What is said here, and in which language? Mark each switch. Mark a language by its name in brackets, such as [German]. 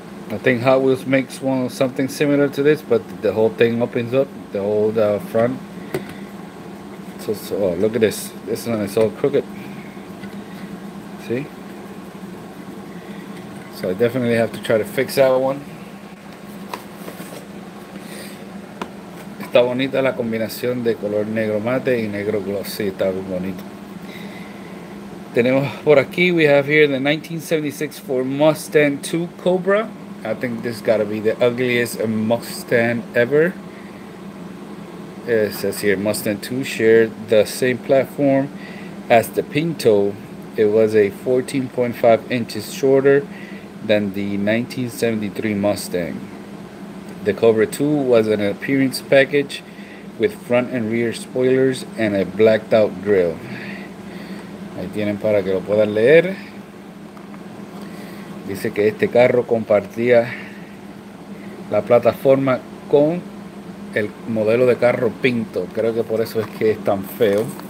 [English] I think Hot Wheels makes one something similar to this, but the whole thing opens up. The whole front. So look at this. This one is all crooked. See? So I definitely have to try to fix that one. [Spanish] Está bonita la combinación de color negro mate y negro glossy. Está muy bonito. Tenemos por aquí, [English] we have here the 1976 Ford Mustang II Cobra. I think this gotta be the ugliest Mustang ever. It says here, Mustang II shared the same platform as the Pinto. It was a 14.5 inches shorter than the 1973 Mustang. The Cobra II was an appearance package with front and rear spoilers and a blacked out grill. [Spanish] Ahí tienen para que lo puedan leer. Dice que este carro compartía la plataforma con el modelo de carro Pinto. Creo que por eso es que es tan feo.